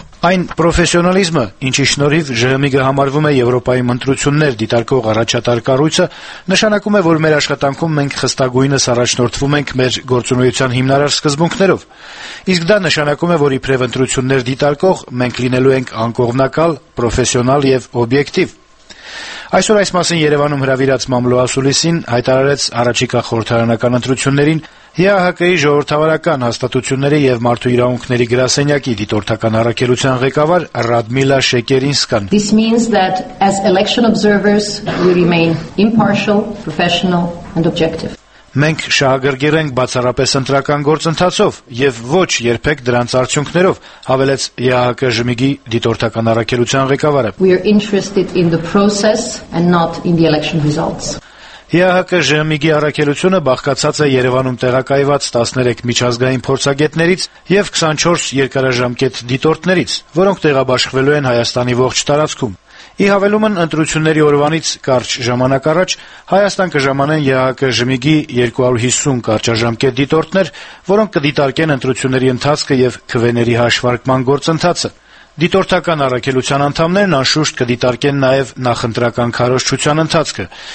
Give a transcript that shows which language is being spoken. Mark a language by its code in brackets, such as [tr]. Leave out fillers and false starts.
[hy] Այն պրոֆեսիոնալիզմը, ինչի շնորհիվ ԺՄԻԳ-ը համարվում է Եվրոպայի ընտրություններ դիտարկող առաջատար կառույցը, նշանակում է, որ մեր աշխատանքում մենք խստագույնս առաջնորդվում ենք մեր գործունեության հիմնարար սկզբունքներով։ Իսկ դա նշանակում է, որ իբրև ընտրություններ դիտարկող մենք լինելու ենք անկողմնակալ, պրոֆեսիոնալ եւ օբյեկտիվ։ Այսօր այս մասին Երևանում հրավիրած Մամլո Ասուլիսին հայտարարեց առաջիկա խորհրդարանական ընտրություններին ՀՀԿ-ի ժողովրդավարական հաստատությունների եւ մարդու իրավունքների գրասենյակի դիտորդական առաքելության ղեկավար Ռադմիլա Շեկերինսկան։ [en] This means that as election observers we remain impartial, professional and objective. [hy] Մենք շահագրգիռենք բացառապես ընտրական գործընթացով եւ ոչ երբեք դրանց արդյունքներով, հավելեց ՀՀԿ ժմիգի դիտորդական առաքելության ղեկավարը։ [en] We are interested in the process and not in the election results. [hy] ՀՀԿ ժմիգի առաքելությունը բաղկացած է Երևանում տեղակայված 13 միջազգային փորձագետներից եւ 24 երկարաժամկետ դիտորդներից, որոնք տեղաբաշխվելու են Հայաստանի ողջ տարածքում։ Ի հավելումն ընտրությունների օրվանից կարճ ժամանակ առաջ Հայաստան կժամանեն ՀՀԿ ժմիգի 250 կարճաժամկետ դիտորդներ, որոնք կդիտարկեն ընտրությունների ընթացքը եւ քվեների հաշվարկման գործընթացը։ Դիտորդական առաքելության անդամներն անշուշտ կդիտարկեն նաև նախընտրական քարոշչության ընթացքը,